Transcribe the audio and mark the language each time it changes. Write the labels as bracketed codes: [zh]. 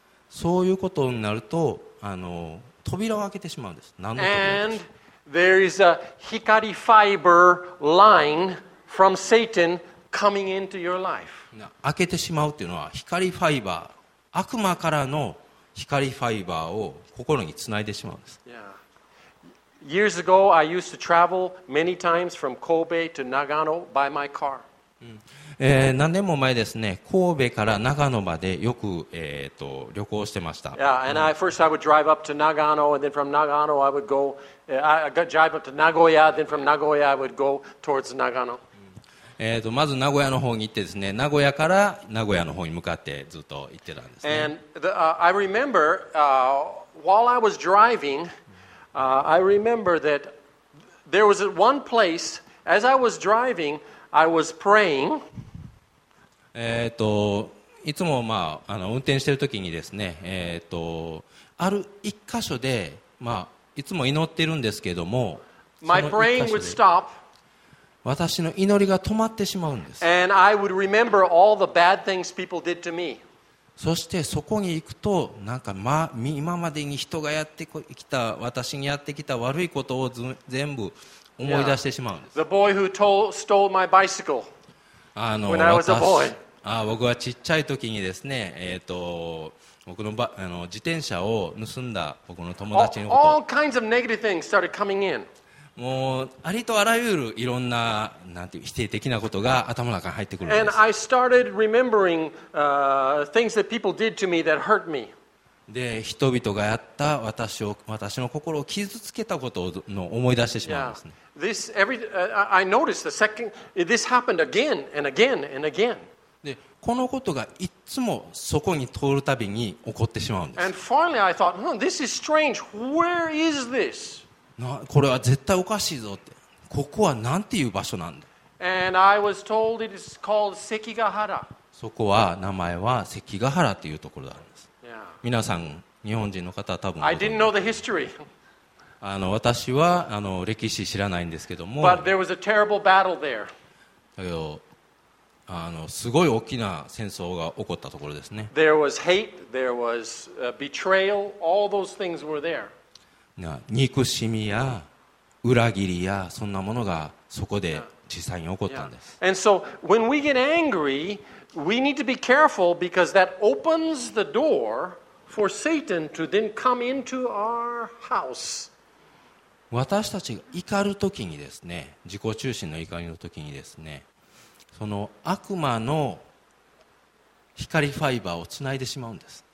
[ja] そういうことになると、扉を開けてしまうんです。何の扉です。 [en] And there is a hikari fiber line from Satan. Coming into your life. [ja] 開けてしまうというのは光ファイバー悪魔からの光ファイバーを心につないでしまうんです、 yeah. [en] Years ago I used to travel many times from Kobe to Nagano by my car、 [ja] 何年も前ですね神戸から長野までよく、旅行してました [en] yeah, and I, first I would drive up to Nagano and then from Nagano I would go I got drive up to Nagoya then from Nagoya I would go towards Nagano [ja] まず名古屋の方に行ってですね名古屋から名古屋の方に向かってずっと行ってたんですね [en] And the, I remember while I was driving I remember that there was one place as I was driving I was praying [ja] いつも、まあ、運転してる時にですね、ある一箇所で、まあ、いつも祈ってるんですけども [en] My praying would stop [ja] 私の祈りが止まってしまうんです。 [en] And I would remember all the bad things people did to me. [ja] そしてそこに行くと、なんか、ま、今までに人がやってきた、私にやってきた悪いことを全部思い出してしまうんです。 Yeah. [en] The boy who stole my bicycle when I was a boy. [ja] 僕はちっちゃい時にですね、僕の、自転車を盗んだ僕の友達のこと。 [en] All kinds of negative things started coming in. [ja] もうありとあらゆるいろんな、 なんていう否定的なことが頭の中に入ってくるんです。 [en] And I started remembering, things that people did to me that hurt me. [ja] で、人々がやった私の心を傷つけたことの思い出してしまうんですね。 Yeah. [en] This every, I noticed the second, this happened again and again and again. [ja] で、このことがいつもそこに通るたびに起こってしまうんです。 [en] And finally I thought, hmm, this is strange. Where is this? [ja] これは絶対おかしいぞってここはなんていう場所なんだ [en] And I was told it is called 関ヶ原 [ja] そこは名前は関ヶ原というところなんです、 yeah. 皆さん日本人の方は多分 [en] I didn't know the history. [ja] 私は歴史知らないんですけども [en] But there was a terrible battle there. [ja] だけどすごい大きな戦争が起こったところですね [en] There was hate, there was betrayal, all those things were there. [ja] 憎しみや裏切りやそんなものがそこで実際に起こったんです。 [en] And so when we get angry, we need to be careful because that opens the door for Satan to then come into our house. [ja] 私たちが怒るときにですね、自己中心の怒りのときにですね、その悪魔の光ファイバーをつないでしまうんです。